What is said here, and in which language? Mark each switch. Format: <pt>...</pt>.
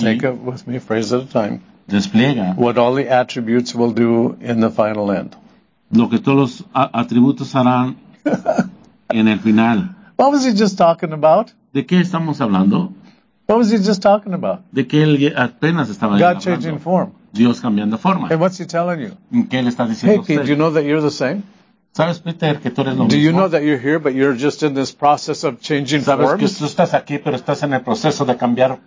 <en>Take it with me, phrase at a time.</en> <es>Despliega.</es> <en>What all the attributes will do in the final end.</en> <es>Lo que todos los atributos harán en el final.</es> <en>What was he just talking about?</en> <es>¿De qué estamos hablando?</es> <en>What was he just talking about?</en> <es>¿De qué él apenas estaba</es> <en>God</en> <es>hablando?</es> <en>Changing form.</en> <es>Dios cambiando forma.</es> <en>And what's he telling you?</en> <es>¿Qué él está diciendo</es> <en>hey,</en> <es>a usted?</es> <en>Hey, Pete, do you know that you're the same?</en> <es>¿Sabes, Peter, que tú eres lo</es> <en>do</en> <es>mismo?</es> <en>Do you know that you're here, but you're just in this process of changing</en> <es>¿sabes</es> <en>forms?</en> <es>¿Sabes que tú estás aquí, pero estás en el proceso de cambiar</es>